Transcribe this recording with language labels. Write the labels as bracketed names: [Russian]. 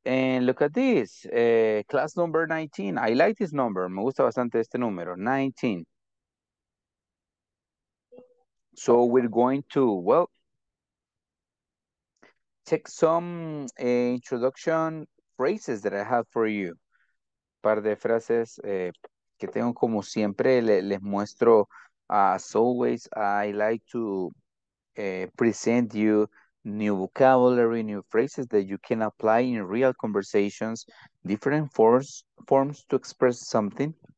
[English] And look at this, class number 19. I like this number. [Spanish] Me gusta bastante este número, 19. [English] So we're going to, well, take some introduction phrases that I have for you. [Spanish] Par de frases que tengo como siempre, les muestro. [English] As always, I like to present you new vocabulary, new phrases that you can apply in real conversations, different forms to express something.